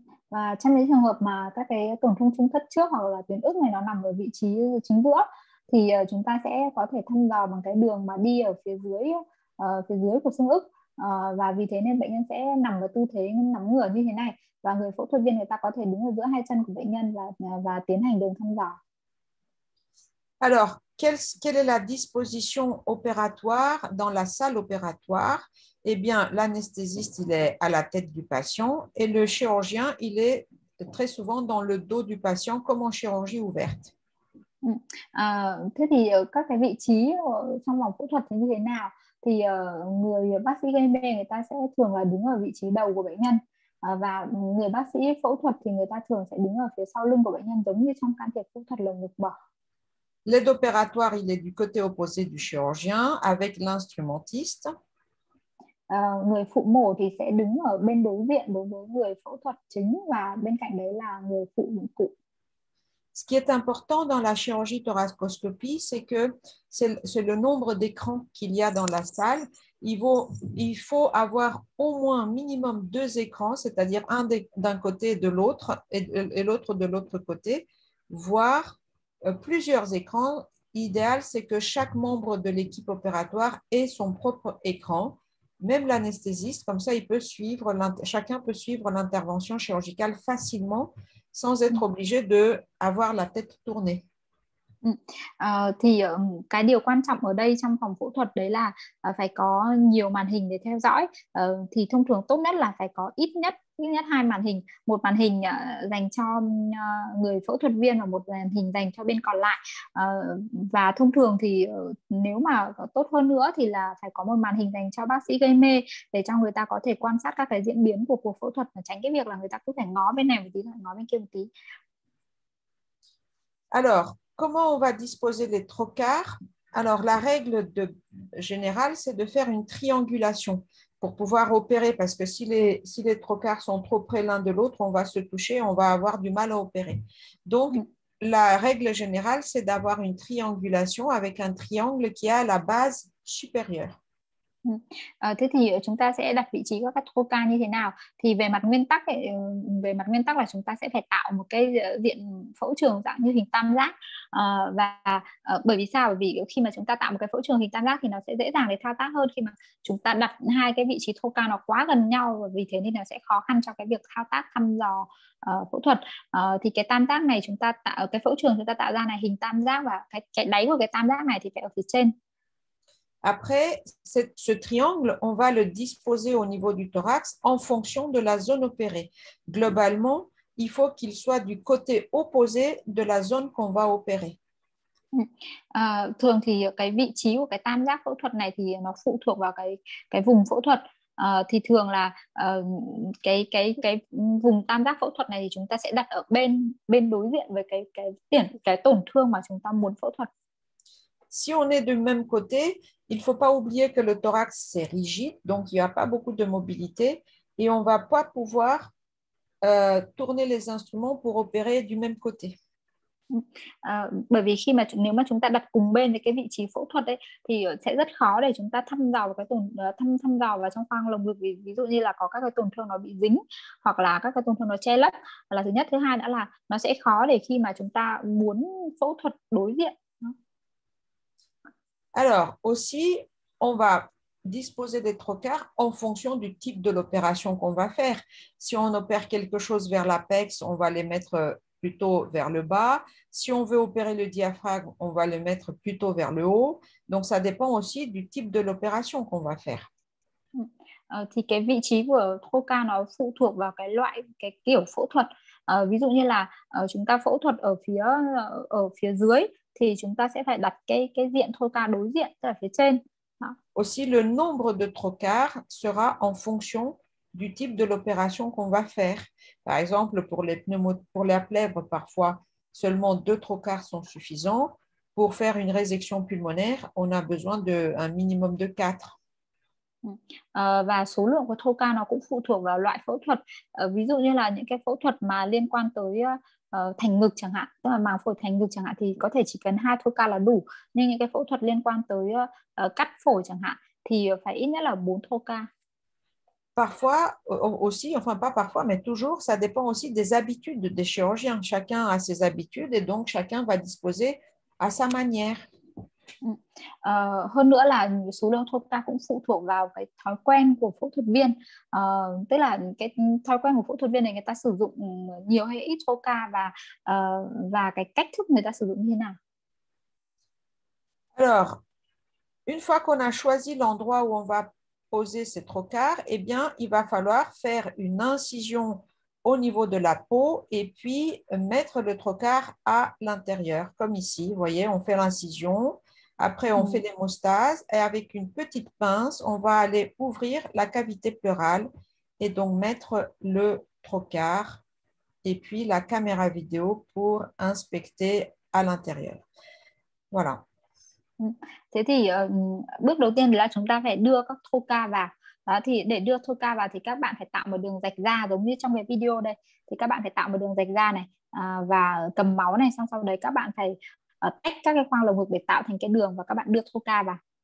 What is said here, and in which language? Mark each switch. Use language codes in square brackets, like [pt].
[vi] Và trong những trường hợp mà các cái tổn thương trung thất trước hoặc là tuyến ức này nó nằm ở vị trí chính giữa thì chúng ta sẽ có thể thăm dò bằng cái đường mà đi ở phía dưới của xương ức. Và vì thế nên bệnh nhân sẽ nằm ở tư thế nằm ngửa như thế này và người phẫu thuật viên người ta có thể đứng ở giữa hai chân của bệnh nhân và tiến hành đường thăm dò. [fr] Alors, quelle est la disposition opératoire dans la salle opératoire? Eh bien, l'anesthésiste il est à la tête du patient et le chirurgien il est très souvent dans le dos du patient comme en chirurgie ouverte. [vi] Thế thì các cái vị trí trong phòng phẫu thuật thì như thế nào? Thì người bác sĩ gây mê người ta sẽ thường là đứng ở vị trí đầu của bệnh nhân và người bác sĩ phẫu thuật thì người ta thường sẽ đứng ở phía sau lưng của bệnh nhân giống như trong can thiệp phẫu thuật lồng ngực mở. [fr] L'aide opératoire il est du côté opposé du chirurgien avec l'instrumentiste. [vi] Người phụ mổ thì sẽ đứng ở bên đối diện đối với người phẫu thuật chính và bên cạnh đấy là người phụ mổ cụ. [fr] Ce qui est important dans la chirurgie thoracoscopie, c'est que c'est le nombre d'écrans qu'il y a dans la salle. Il faut avoir au moins minimum deux écrans, c'est-à-dire un d'un côté et de l'autre, et l'autre de l'autre côté, voire plusieurs écrans. L'idéal, c'est que chaque membre de l'équipe opératoire ait son propre écran, même l'anesthésiste, comme ça, chacun peut suivre l'intervention chirurgicale facilement. Sans être obligé de avoir la tête tournée. [vi] Thì cái điều quan trọng ở đây trong phòng phẫu thuật đấy là phải có nhiều màn hình để theo dõi. Thì thông thường tốt nhất là phải có ít nhất hai màn hình, một màn hình dành cho người phẫu thuật viên và một màn hình dành cho bên còn lại. Và thông thường thì nếu mà tốt hơn nữa thì là phải có một màn hình dành cho bác sĩ gây mê để cho người ta có thể quan sát các cái diễn biến của cuộc phẫu thuật và tránh cái việc là người ta cứ phải ngó bên này một tí, ngó bên kia một tí. [fr] Alors, comment on va disposer les trocars? Alors, la règle de générale, c'est de faire une triangulation pour pouvoir opérer, parce que si les trocars sont trop près l'un de l'autre, on va se toucher, on va avoir du mal à opérer. Donc, la règle générale, c'est d'avoir une triangulation avec un triangle qui a la base supérieure. [vi] Thế thì chúng ta sẽ đặt vị trí của các trocar như thế nào? Thì về mặt nguyên tắc là chúng ta sẽ phải tạo một cái diện phẫu trường dạng như hình tam giác. Và bởi vì sao? Bởi vì khi mà chúng ta tạo một cái phẫu trường hình tam giác thì nó sẽ dễ dàng để thao tác hơn khi mà chúng ta đặt hai cái vị trí trocar nó quá gần nhau, và vì thế nên nó sẽ khó khăn cho cái việc thao tác thăm dò phẫu thuật. Thì cái tam giác này chúng ta tạo, cái phẫu trường chúng ta tạo ra là hình tam giác và cái đáy của cái tam giác này thì phải ở phía trên. [fr] Après, ce triangle, on va le disposer au niveau du thorax en fonction de la zone opérée. Globalement, il faut qu'il soit du côté opposé de la zone qu'on va opérer. [vi] Thường thì cái vị trí của cái tam giác phẫu thuật này thì nó phụ thuộc vào cái vùng phẫu thuật. Thì thường là cái vùng tam giác phẫu thuật này thì chúng ta sẽ đặt ở bên bên đối diện với cái tổn thương mà chúng ta muốn phẫu thuật. [fr] Si on est du même côté, il ne faut pas oublier que le thorax, c'est rigide, donc il n'y a pas beaucoup de mobilité et on ne va pas pouvoir tourner les instruments pour opérer du même côté. [vi] Bởi vì khi mà nếu mà chúng ta đặt cùng bên với cái vị trí phẫu thuật ấy thì sẽ rất khó để chúng ta thăm dò cái tổn thăm thăm dò vào trong khoang lồng ngực, vì ví dụ như là có các cái tổn thương nó bị dính hoặc là các cái tổn thương nó che lấp là thứ nhất, thứ hai nữa là nó sẽ khó để khi mà chúng ta muốn phẫu thuật đối diện. [fr] Alors aussi on va disposer des trocars en fonction du type de l'opération qu'on va faire. Si on opère quelque chose vers l'apex, on va les mettre plutôt vers le bas. Si on veut opérer le diaphragme, on va le mettre plutôt vers le haut. Donc, ça dépend aussi du type de l'opération qu'on va faire. [vi] Thì cái vị trí của trocar nó phụ thuộc vào cái loại, cái kiểu phẫu thuật. Ví dụ như là chúng ta phẫu thuật ở phía dưới thì chúng ta sẽ phải đặt cái diện trocar đối diện, tức là phía trên. [fr] Aussi, le nombre de trocars sera en fonction du type de l'opération qu'on va faire. Par exemple, pour la plèvre, parfois, seulement deux trocars sont suffisants. Pour faire une résection pulmonaire, on a besoin d'un minimum de quatre. [vi] Và số lượng của trocar nó cũng phụ thuộc vào loại phẫu thuật. Ví dụ như là những cái phẫu thuật mà liên quan tới thành ngực chẳng hạn, tức là màng phổi thành ngực chẳng hạn, thì có thể chỉ cần hai trocar là đủ. Nhưng những cái phẫu thuật liên quan tới cắt phổi chẳng hạn, thì phải ít nhất là bốn trocar. [fr] Parfois aussi, enfin pas parfois, mais toujours, ça dépend aussi des habitudes des chirurgiens. Chacun a ses habitudes et donc chacun va disposer à sa manière. [vi] Hơn nữa là số lượng trocar cũng phụ thuộc vào cái thói quen của phẫu thuật viên. Tức là cái thói quen của phẫu thuật viên này, người ta sử dụng nhiều hay ít trocar và cái cách thức người ta sử dụng như thế nào. [fr] Alors, une fois qu'on a choisi l'endroit où on va poser ces trocars, eh bien, il va falloir faire une incision au niveau de la peau et puis mettre le trocar à l'intérieur, comme ici. Vous voyez, on fait l'incision, après on fait l'hémostase et avec une petite pince, on va aller ouvrir la cavité pleurale et donc mettre le trocar et puis la caméra vidéo pour inspecter à l'intérieur. Voilà. [vi] Thế thì bước đầu tiên là chúng ta phải đưa các trocar vào. Đó, thì để đưa trocar vào thì các bạn phải tạo một đường rạch ra giống như trong cái video đây. Thì các bạn phải tạo một đường rạch ra này và cầm máu này, xong sau đấy các bạn phải tách các cái khoang lồng ngực để tạo thành cái đường và các bạn đưa trocar vào.